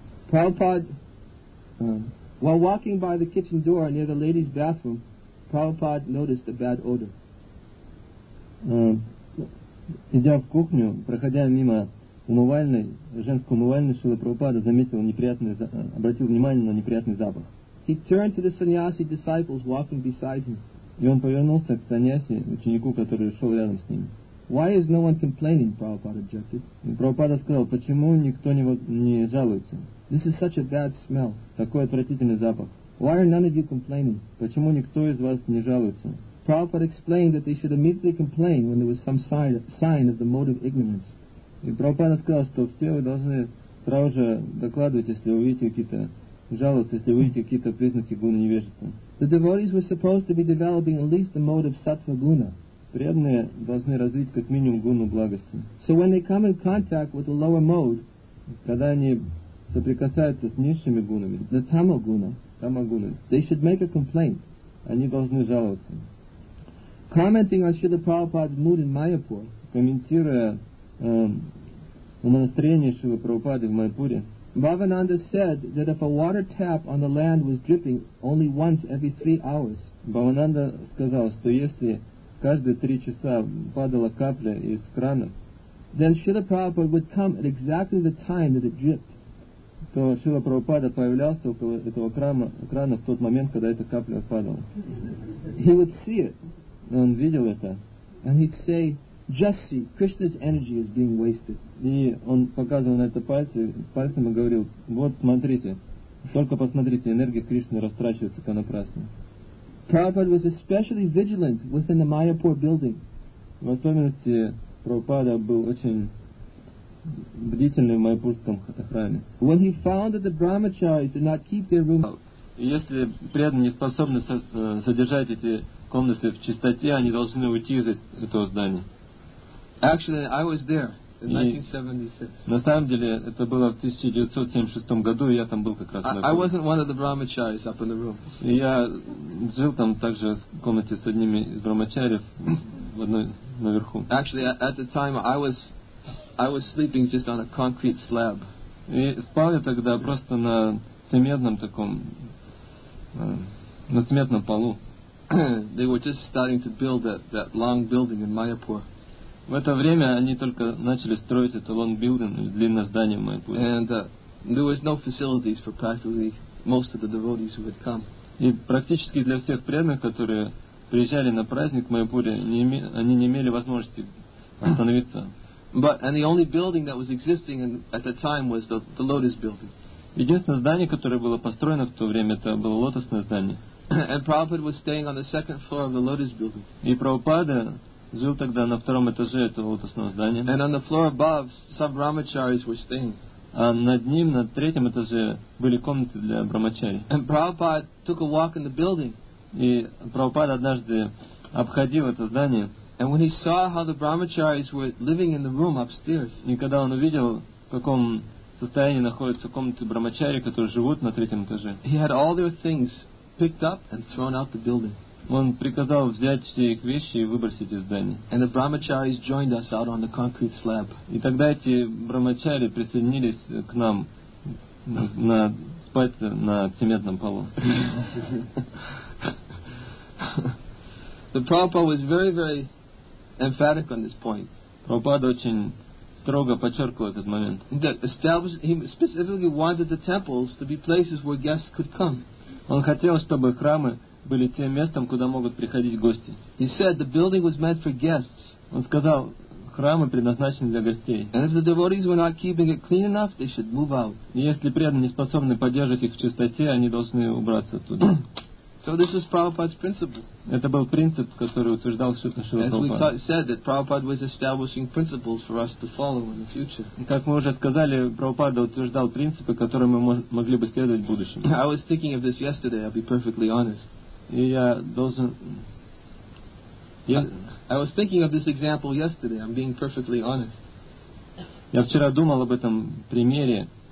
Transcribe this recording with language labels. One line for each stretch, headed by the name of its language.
English: Prabhupada, while walking by the kitchen door near the ladies' bathroom, Prabhupada noticed a bad odor.
Russian: Идя в кухню, проходя мимо умывальной, женской умывальной, Шрила Прабхупада заметил неприятный, обратил внимание на неприятный запах.
English: He turned to the sannyasi disciples walking beside him.
Russian: И он повернулся к саньяси, ученику, который шел рядом с ним.
English: Why is no one complaining? Prabhupada objected.
Russian: Прабхупада сказал, почему никто не жалуется?
English: This is such a bad smell.
Russian: Такой отвратительный запах.
English: Why are none of you complaining?
Russian: Почему никто из вас не жалуется?
English: Prabhupada explained that they should immediately complain when there was some sign of the motive ignorance.
Russian: И Прабхупада сказал, что все вы должны сразу же докладывать, если увидите какие-то жалобы, если увидите какие-то признаки гуны невежества.
English: The devotees were supposed to be developing at least the motive sattva guna.
Russian: Преданные должны развить как минимум гуну благости.
English: So when they come in contact with the lower mode,
Russian: когда они соприкасаются с низшими гунами,
English: the tamoguna,
Sanskrit: tamoguna,
English: they should make a complaint.
Russian: Они должны жаловаться.
English: Commenting on Srila Prabhupada's mood in Mayapur,
Russian: комментируя умонастроение Шрилы Прабхупады в Майпуре,
English: Bhavananda said that if a water tap on the land was dripping only once every 3 hours,
Russian: Bhavananda сказал, что если каждые 3 часа падала капля из крана,
English: then Srila Prabhupada would come at exactly the time that it dripped.
Russian: То Шрила Прабхупада появлялся около этого крана в тот момент, когда эта капля падала.
English: He would see it.
Russian: Он видел это.
English: And he'd say, just see, Krishna's energy is being wasted.
Russian: И он показывал на это пальцем и говорил, вот смотрите, только посмотрите, энергия Кришны растрачивается понапрасну.
English: Prabhupada was especially vigilant within the Mayapur building.
Russian: В особенности Прабхупада был очень бдительный в майпурском храме.
English: When he found that the brahmacharis did not keep their room out.
Russian: Если преданные не способны содержать эти комнаты в чистоте, они должны уйти из этого здания.
English: Actually, I was there in 1976.
Russian: На самом деле, это было в 1976 году, и я там был как раз.
English: I wasn't one of the brahmacharis up in the room.
Russian: Я жил там также в комнате с одними из брахмачарьев в одной наверху.
English: Actually, at the time, I was sleeping just on a concrete slab.
Russian: И спал я тогда просто на цементном таком, на цементном полу.
English: They were just starting to build that long building in Mayapur.
Russian: В это время они только начали строить это
English: long building,
Russian: длинное здание в Майпуре.
English: And there was no facilities for practically most of the devotees who had come.
Russian: И практически для всех преданных, которые приезжали на праздник в Майпуре, они не имели возможности остановиться.
English: But and the only building that was existing at the time was the lotus building.
Russian: Единственное здание, которое было построено в то время, это было лотосное здание.
English: And Prabhupada was staying on the second floor of the lotus building.
Russian: И Прабхупада жил тогда на втором этаже этого лотосного здания.
English: And on the floor above, some brahmacharis were staying.
Russian: А над ним, на третьем этаже, были комнаты для брахмачари.
English: And Prabhupada took a walk in the building.
Russian: И Прабхупада однажды обходил это здание.
English: And when he saw how the brahmacharis were living in the room upstairs.
Russian: И когда он увидел, в каком состоянии находятся комнаты брахмачари, которые живут на третьем этаже.
English: He had all their things picked up and thrown out the building.
Russian: Он приказал взять все их вещи и выбросить из здания.
English: And the brahmacharis joined us out on the concrete slab.
Russian: И тогда эти брахмачари присоединились к нам на спать на цементном полу.
English: The Prabhupada was very, very emphatic on this point.
Russian: Прабхупада очень строго подчеркивал этот момент.
English: That established, he specifically wanted the temples to be places where guests could come.
Russian: Он хотел, чтобы храмы были тем местом, куда могут приходить гости.
English: He said the building was meant for guests.
Russian: Он сказал, храмы предназначены для гостей.
English: And if the devotees were not keeping it clean enough, they should move out.
Russian: Если преданные не способны поддерживать их в чистоте, они должны убраться оттуда.
English: So this was Prabhupada's principle.
Russian: Это был принцип, который утверждал Шрила Прабхупада.
English: As we said, that Prabhupada was establishing principles for us to follow in the future.
Russian: Как мы уже сказали, Прабхупада утверждал принципы, которые мы могли бы следовать в будущем.
English: I was thinking of this yesterday. I'll be perfectly honest. I was thinking of this example yesterday. I'm being perfectly honest.
Russian: Я вчера думал об этом примере.